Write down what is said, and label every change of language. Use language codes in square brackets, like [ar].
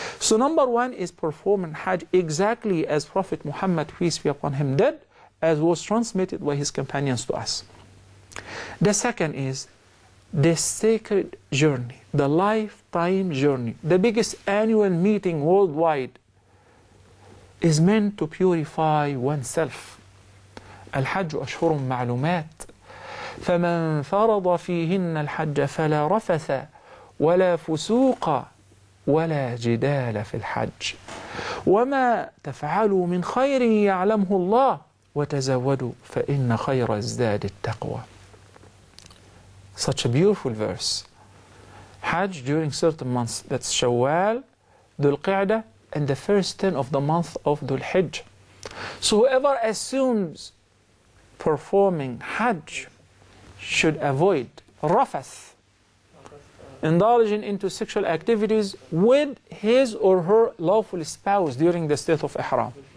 [en] So number one is performing Hajj exactly as Prophet Muhammad, peace be upon him, did, as was transmitted by his companions to us. The second is the sacred journey, the lifetime journey, the biggest annual meeting worldwide, is meant to purify oneself. [ar] الحج أشهر معلومات فمن فرض فيهن الحج فلا رفث ولا فسوق ولا جدال في الحج وما تفعلوا من خير يعلمه الله وتزودوا فإن خير الزاد التقوى. [en] Such a beautiful verse. Hajj during certain months, that's Shawwal, Dhul Qa'dah, and the first 10 of the month of Dhul Hijj. So whoever assumes performing Hajj should avoid rafath, indulging into sexual activities with his or her lawful spouse during the state of Ihram.